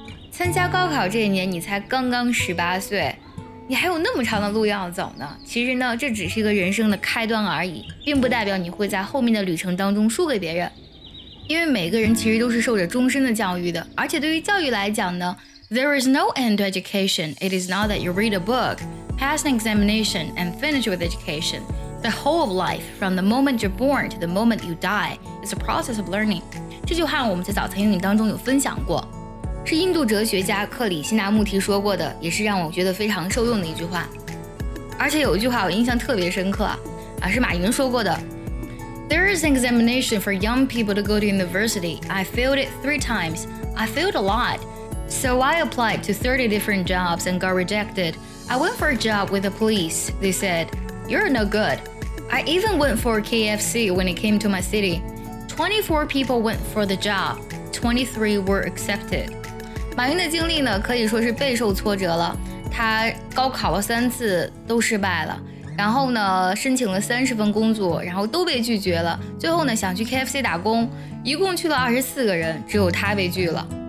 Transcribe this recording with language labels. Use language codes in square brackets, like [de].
[zh] 参加高考这一年你才刚刚18岁，你还有那么长的路要走呢。其实呢，这只是一个人生的开端而已，并不代表你会在后面的旅程当中输给别人。因为每个人其实都是受着终身的教育的，而且对于教育来讲呢， [en] There is no end to education. It is not that you read a book, pass an examination, and finish with education. The whole of life, from the moment you're born to the moment you die, is a process of learning. [zh] 这句话我们在早餐英语当中有分享过，是印度哲学家克里希纳穆提说过的，也是让我觉得非常受用的一句话。而且有一句话我印象特别深刻，是马云说过的。 [en] There is an examination for young people to go to university. I failed it 3 times. I failed a lot. So I applied to 30 different jobs and got rejected. I went for a job with the police. They said, you're no good. I even went for KFC when it came to my city. 24 people went for the job. 23 were accepted. [zh] 马云的经历呢，可以说是备受挫折了。他高考了3次都失败了，然后呢，申请了30份工作，然后都被拒绝了。最后呢，想去 KFC 打工，一共去了24个人，只有他被拒了。